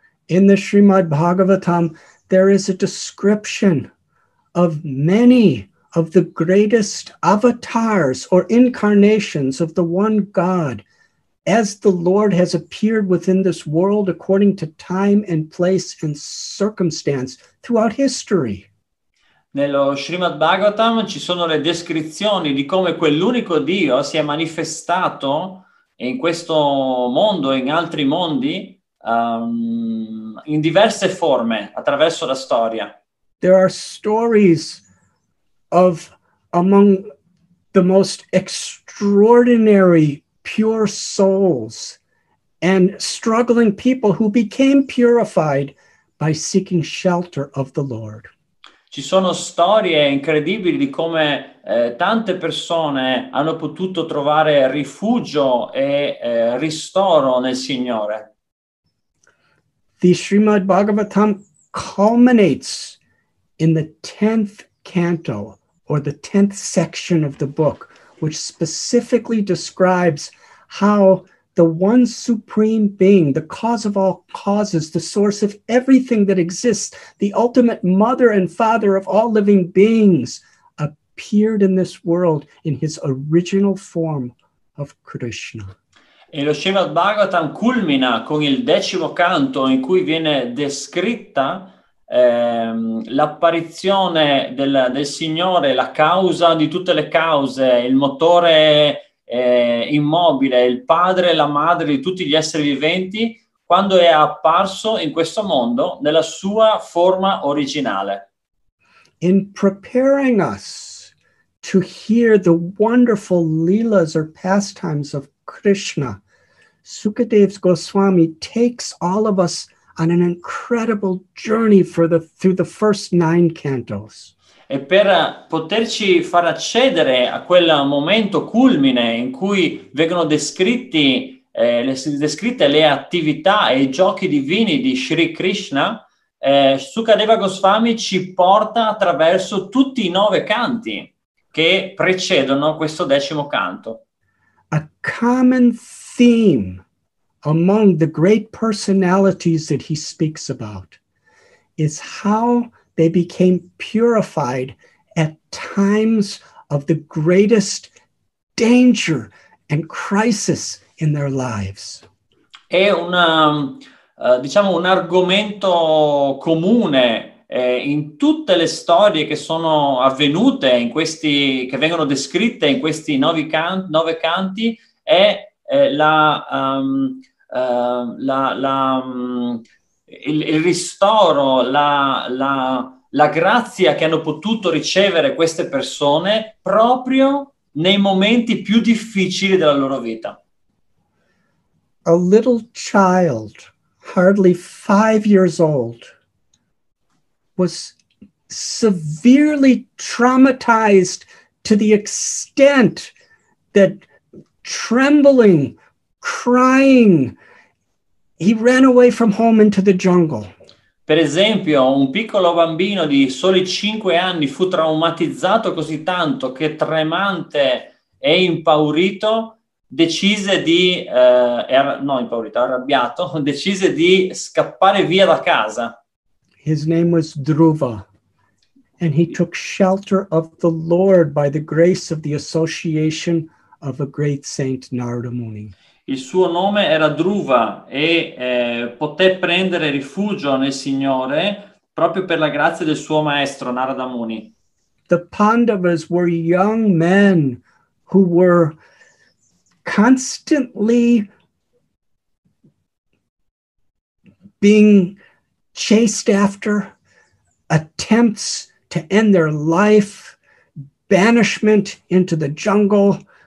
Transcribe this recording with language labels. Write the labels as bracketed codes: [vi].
[en] In the Srimad Bhagavatam there is a description of many of the greatest avatars or incarnations of the one God as the Lord has appeared within this world according to time and place and circumstance throughout history. [it] Nello Srimad Bhagavatam ci sono le descrizioni di come quell'unico Dio si è manifestato in questo mondo e in altri mondi in diverse forme attraverso la storia. [en] There are stories of among the most extraordinary pure souls and struggling people who became purified by seeking shelter of the Lord. [it] Ci sono storie incredibili di come tante persone hanno potuto trovare rifugio e ristoro nel Signore. [en] The Srimad Bhagavatam culminates in the 10th canto or the 10th section of the book, which specifically describes how the one supreme being, the cause of all causes, the source of everything that exists, the ultimate mother and father of all living beings, appeared in this world in his original form of Krishna. [it] E lo Srimad Bhagavatam culmina con il 10° canto in cui viene descritta l'apparizione del Signore, la causa di tutte le cause, il motore immobile, il padre e la madre di tutti gli esseri viventi, quando è apparso in questo mondo nella sua forma originale. [en] In preparing us to hear the wonderful lilas or pastimes of Krishna, Sukadev Goswami takes all of us on an incredible journey through the first 9 cantos. [it] E per poterci far accedere a quel momento culmine in cui vengono descritte le attività e i giochi divini di Sri Krishna, Sukadeva Goswami ci porta attraverso tutti i 9 canti che precedono questo 10° canto. [en] A common theme among the great personalities that he speaks about is how they became purified at times of the greatest danger and crisis in their lives. [it] È un argomento comune in tutte le storie che sono avvenute in questi che vengono descritte in questi 9 canti è il ristoro, la grazia che hanno potuto ricevere queste persone proprio nei momenti più difficili della loro vita. [en] A little child, hardly 5 years old, was severely traumatized to the extent that trembling, crying, he ran away from home into the jungle. [it] Per esempio, un piccolo bambino di soli 5 anni fu traumatizzato così tanto che tremante e impaurito decise di arrabbiato, decise di scappare via da casa. [en] His name was Dhruva, and he took shelter of the Lord by the grace of the association of a great saint, Narada Muni. [it] Il suo nome era Dhruva e poté prendere rifugio nel Signore proprio per la grazia del suo maestro, Narada Muni. [en] The Pandavas were young men who were constantly being chased after, attempts to end their life, banishment into the jungle.